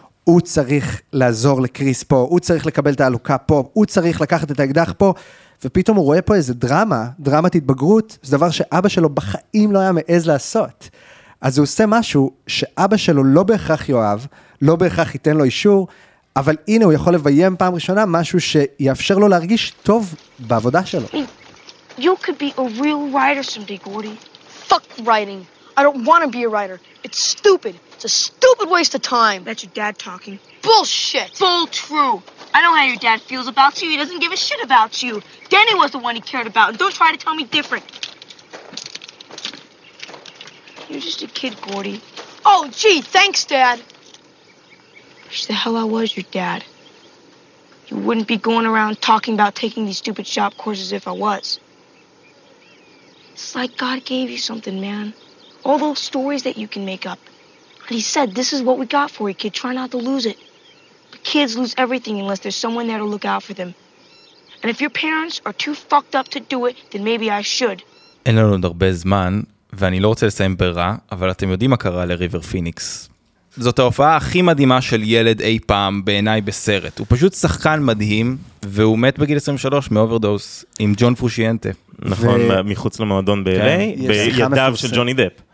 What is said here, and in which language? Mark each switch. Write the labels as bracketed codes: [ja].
[he] הוא צריך לעזור לקריס פה, הוא צריך לקבל את ההלוקה פה, הוא צריך לקחת את האקדח פה, ופתאום הוא רואה פה איזה דרמה, דרמת התבגרות, זה דבר שאבא שלו בחיים לא היה מעז לעשות. אז הוא עושה משהו שאבא שלו לא בהכרח יאהב, לא בהכרח ייתן לו אישור, אבל הנה הוא יכול לביים פעם ראשונה משהו שיאפשר לו להרגיש טוב בעבודה שלו. [en] You could be a real writer someday, Gordy. Fuck writing. I don't want to be a writer. It's stupid. It's a stupid waste of time. That's your dad talking. Bullshit. Full true. I know how your dad feels about you. He doesn't give a shit about you. Danny was the one he cared about. And don't try to tell me different. You're just a kid, Gordy. Oh, gee, thanks, Dad. Wish the hell I was your dad. You wouldn't be going around talking about taking these stupid shop courses if I was. It's like God gave you something, man. All those stories that you can make up. And he said, this is what we got for you, kid. Try not to lose it. But kids lose everything unless there's someone there to look out for them. And if your parents are too fucked up to do it, then maybe I should. [he] אין לנו עוד הרבה זמן, ואני לא רוצה לסיים ברע, אבל אתם יודעים מה קרה לריבר פיניקס. זאת ההופעה הכי מדהימה של ילד אי פעם בעיניי בסרט. הוא פשוט שחקן מדהים, והוא מת בגיל 23 מאוברדוס עם ג'ון פרושיינטה. נכון, מחוץ למועדון ב-LA, בידיו של ג'וני דאפ.